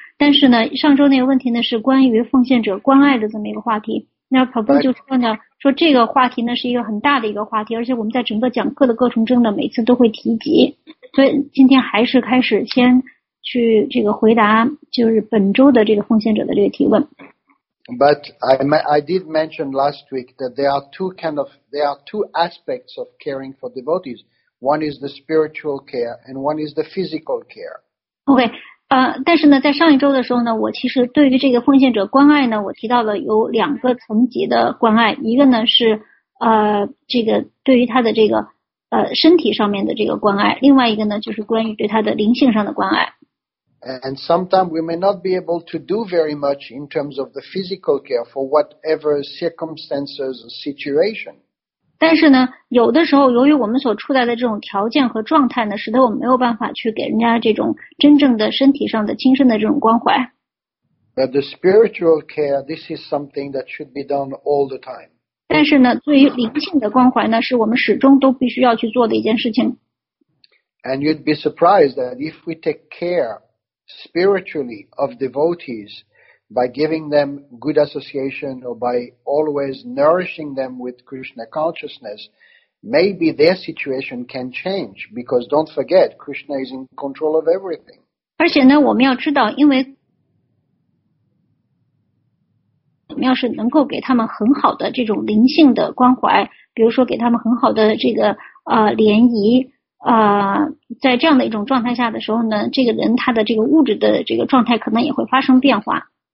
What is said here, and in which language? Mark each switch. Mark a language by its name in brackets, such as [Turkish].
[Chinese] 但是呢，上周那个问题呢是关于奉献者关爱的这么一个话题。那跑步就说呢。说这个话题呢是一个很大的一个话题，而且我们在整个讲课的过程中呢，每次都会提及。所以今天还是开始先去这个回答，就是本周的这个奉献者的这个提问。 [English] But I did mention last week that there are two aspects of caring for devotees. One is the spiritual care, and one is the physical care. Okay. [Chinese] 但是呢，在上一周的时候呢，我其实对于这个奉献者关爱呢，我提到了有两个层级的关爱，一个呢是这个对于他的这个身体上面的这个关爱，另外一个呢就是关于对他的灵性上的关爱。 [English] And sometimes we may not be able to do very much in terms of the physical care for whatever circumstances or situation. [Chinese] 但是呢，有的时候由于我们所处在的这种条件和状态呢，使得我们没有办法去给人家这种真正的身体上的亲身的这种关怀。 [English] But the spiritual care, this is something that should be done all the time. [Chinese] 但是呢，对于灵性的关怀呢，是我们始终都必须要去做的一件事情。 [English] And you'd be surprised that if we take care spiritually of devotees. By giving them good association or by always nourishing them with Krishna consciousness, maybe their situation can change. Because don't forget, Krishna is in control of everything. [Chinese] 而且呢，我们要知道，因为我们要是能够给他们很好的这种灵性的关怀，比如说给他们很好的这个联谊。在这样的一种状态下的时候呢，这个人他的这个物质的这个状态可能也会发生变化。